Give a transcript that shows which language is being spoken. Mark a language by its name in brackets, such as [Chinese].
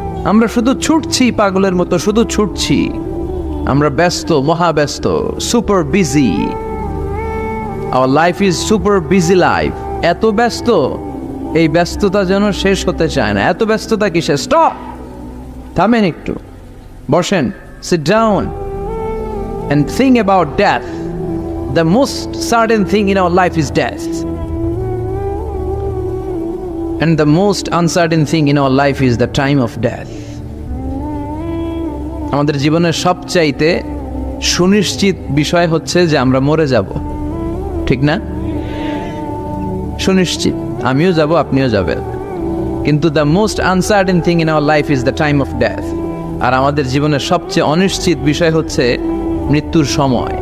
[Bangla] আমরা শুধু ছুটছি পাগলের মতো, শুধু ছুটছি, আমরা ব্যস্ত, মহাব্যস্ত, super busy, [English] our life is super busy life, [Bangla] এত ব্যস্ত, এই ব্যস্ততা যেন শেষ হতে চায় না। এত ব্যস্ততা কিসে? স্টপ, থামেন একটু, বসেন, [English] Sit down and think about death. The most certain thing in our life is death, and the most uncertain thing in our life is the time of death. [Bangla] আমাদের জীবনের সবচাইতে সুনিশ্চিত বিষয় হচ্ছে যে আমরা মরে যাব, ঠিক না? সুনিশ্চিত, আমিও যাব, আপনিও যাবেন, কিন্তু [English] the most uncertain thing in our life is the time of death, [Bangla] আর আমাদের জীবনের সবচেয়ে অনিশ্চিত বিষয় হচ্ছে মৃত্যুর সময়।